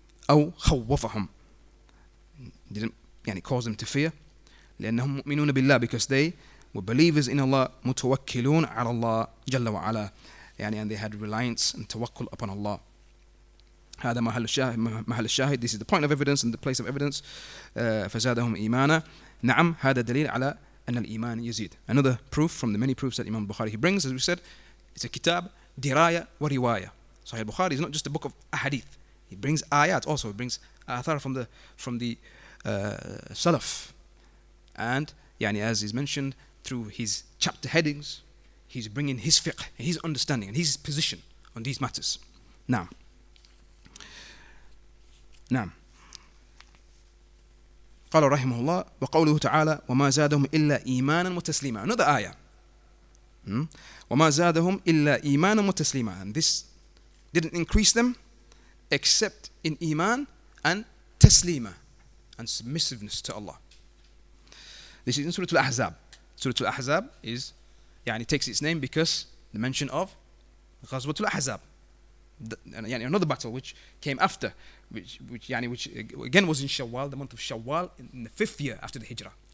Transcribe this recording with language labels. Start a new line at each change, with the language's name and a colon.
Arabic: أَوْ خَوَّفَهُمْ,
English: didn't يعني cause them to fear.
Arabic: لِأَنَّهُمْ مُؤْمِنُونَ بِاللَّهِ,
English: because they were believers in Allah,
Arabic: مُتَوَكِّلُونَ عَلَى اللَّهِ جَلَّ وَعَلَى,
English: يعني, and they had reliance and tawakkul upon Allah.
Arabic: هذا محل الشاهد.
English: This is the point of evidence and the place of evidence.
Arabic: فزادهم إيمانا. نعم هذا دليل على أن الإيمان يزيد.
English: Another proof from the many proofs that Imam Bukhari he brings, as we said, it's a kitab, diraya wa riwaya. So Sahih Bukhari is not just a book of ahadith. He brings ayat also. He brings athar from the salaf. And يعني as is mentioned through his chapter headings, he's bringing his fiqh, his understanding, and his position on these matters. Now.
Arabic: نعم. قال رحمه الله وقوله تعالى وما زادهم إلا إيمانا متسليما.
English: Another آية.
Arabic: وما زادهم إلا إيمانا متسليما.
English: And this didn't increase them except in إيمان and تسليما and submissiveness to Allah. This is in Surah Al-Ahzab. Surah Al-Ahzab is, يعني takes its name because the mention of غزوة الأحزاب, يعني another battle which came after, which يعني which again was in Shawwal, the month of Shawwal, in the fifth year after the Hijrah.